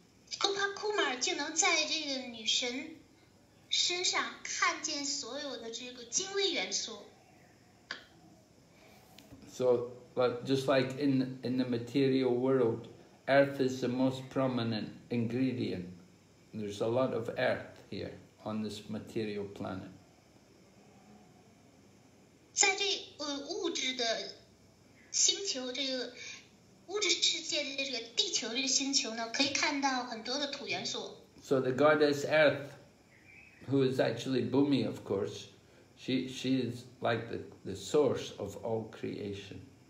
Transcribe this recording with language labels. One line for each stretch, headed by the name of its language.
Chinese: Gop Kumar 就能在这个女神身上看见所有的这个精微元素。
English: So, just like in the material world,Earth is the most prominent ingredient. There's a lot of earth here on this material planet.
Chinese: 在这物质的星球，这个物质世界的这个地球这个星球呢，可以看到很多的土元素。
English: So the goddess Earth, who is actually Bhumi, of course, she is like the source of all creation.